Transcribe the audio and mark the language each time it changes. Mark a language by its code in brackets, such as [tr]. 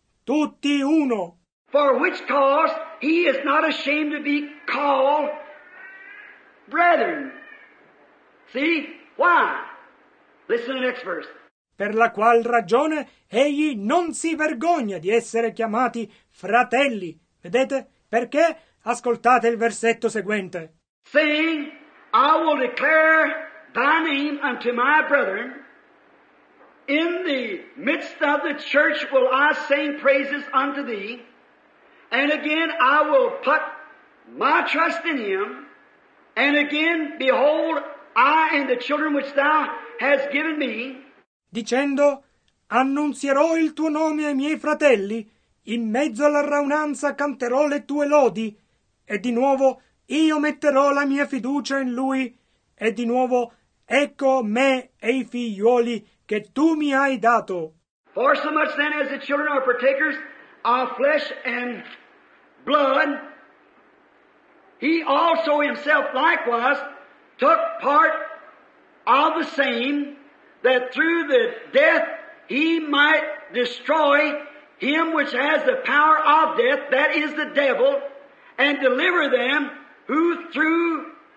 [it] Tutti uno. [en] For which cause he is not ashamed to be called brethren. See? Why? Listen to the next verse. [it] Per la qual ragione egli non si vergogna di essere chiamati fratelli. Vedete? Perché? Ascoltate il versetto seguente. [en] Saying, I will declare thy name unto my brethren. In the midst of the church will I sing praises unto thee, and again I will put my trust in him, and again, behold, I and the children which thou hast given me. [it] Dicendo, annunzierò il tuo nome ai miei fratelli, in mezzo alla raunanza canterò le tue lodi, e di nuovo io metterò la mia fiducia in lui, e di nuovo ecco me e i figlioli che tu mi hai dato. [en] For so much then as the children are partakers of flesh and blood, he also himself likewise took part of the same, that through the death he might destroy him which has the power of death, that is the devil, and deliver them who through